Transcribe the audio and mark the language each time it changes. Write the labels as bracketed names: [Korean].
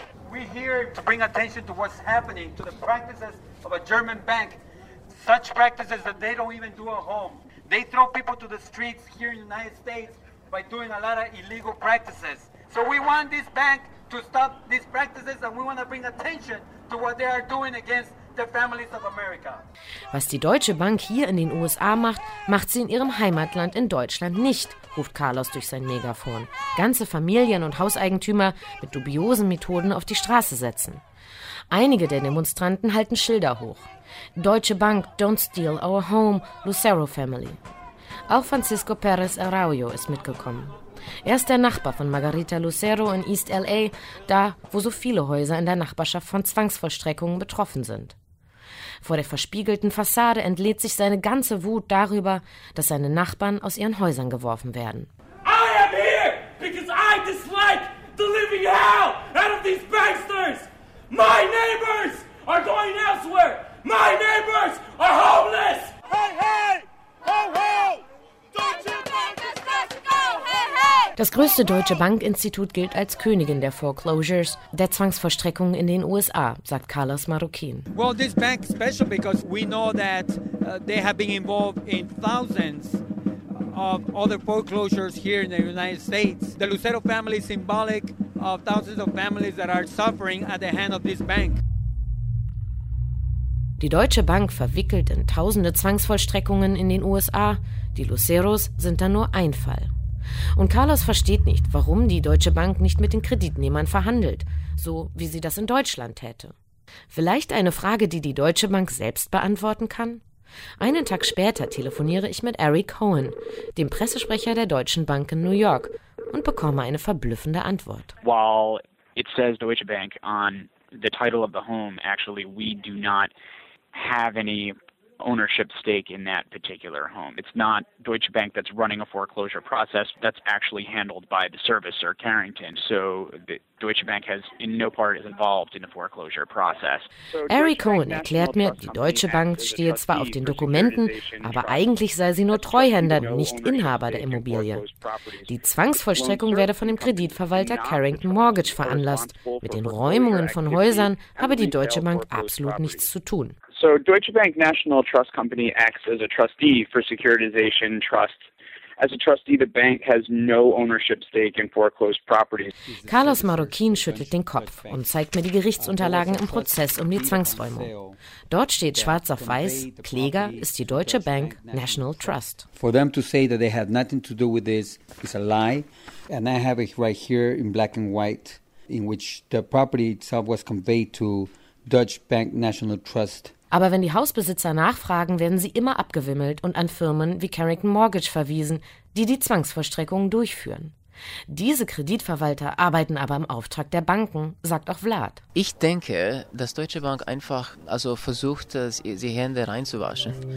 [English] We're here to bring attention to what's happening to the practices of a German bank. Such practices that they don't even do at home. They throw people to the streets here in the United States by doing a lot of illegal practices. So we want this bank to stop these practices and we want to bring attention to what they are doing against the families of America. [German] Was die Deutsche Bank hier in den USA macht, macht sie in ihrem Heimatland in Deutschland nicht, ruft Carlos durch sein Megafon. Ganze Familien und Hauseigentümer mit dubiosen Methoden auf die Straße setzen. Einige der Demonstranten halten Schilder hoch. [English] Deutsche Bank, don't steal our home, Lucero Family. [German] Auch Francisco Perez Araujo ist mitgekommen. Er ist der Nachbar von Margarita Lucero in East L.A., da, wo so viele Häuser in der Nachbarschaft von Zwangsvollstreckungen betroffen sind. Vor der verspiegelten Fassade entlädt sich seine ganze Wut darüber, dass seine Nachbarn aus ihren Häusern geworfen werden. [English] I am here, because I dislike the living hell out of these banksters! My neighbors are going elsewhere! My neighbors are homeless! Hey, hey! Ho, ho! Deutsche Bank ist das Go! Hey, hey! [German] Das größte deutsche Bankinstitut gilt als Königin der Foreclosures, der Zwangsvollstreckungen in den USA, sagt Carlos Marroquin. [English] Well, this bank is special because we know that they have been involved in thousands of other foreclosures here in the United States. The Lucero family is symbolic of thousands of families that are suffering at the hand of this bank. [German] Die Deutsche Bank verwickelt in tausende Zwangsvollstreckungen in den USA. Die Luceros sind da nur ein Fall. Und Carlos versteht nicht, warum die Deutsche Bank nicht mit den Kreditnehmern verhandelt, so wie sie das in Deutschland täte. Vielleicht eine Frage, die die Deutsche Bank selbst beantworten kann? Einen Tag später telefoniere ich mit Eric Cohen, dem Pressesprecher der Deutschen Bank in New York, und bekomme eine verblüffende Antwort. [English] While it says Deutsche Bank on the title of the home, actually we do not have any ownership stake in that particular home. It's not Deutsche Bank that's running a foreclosure process. That's actually handled by the servicer, Carrington. So Deutsche Bank has in no part is involved in the foreclosure process. [German] Eric Cohen erklärt mir, die Deutsche Bank stehe zwar auf den Dokumenten, aber eigentlich sei sie nur Treuhänder, nicht Inhaber der Immobilie. Die Zwangsvollstreckung werde von dem Kreditverwalter Carrington Mortgage veranlasst. Mit den Räumungen von Häusern habe die Deutsche Bank absolut nichts zu tun. [English] So Deutsche Bank National Trust Company acts as a trustee for securitization trusts. As a trustee, the bank has no ownership stake in foreclosed properties. [German] Carlos Marroquin schüttelt den Kopf und zeigt mir die Gerichtsunterlagen im Prozess um die Zwangsräumung. Dort steht schwarz auf weiß, Kläger ist die Deutsche Bank National Trust. [English] For them to say that they had nothing to do with this is a lie. And I have it right here in black and white, in which the property itself was conveyed to Deutsche Bank National Trust. [German] Aber wenn die Hausbesitzer nachfragen, werden sie immer abgewimmelt und an Firmen wie Carrington Mortgage verwiesen, die die Zwangsvollstreckungen durchführen. Diese Kreditverwalter arbeiten aber im Auftrag der Banken, sagt auch Vlad. Ich denke, dass Deutsche Bank einfach also versucht, die Hände reinzuwaschen.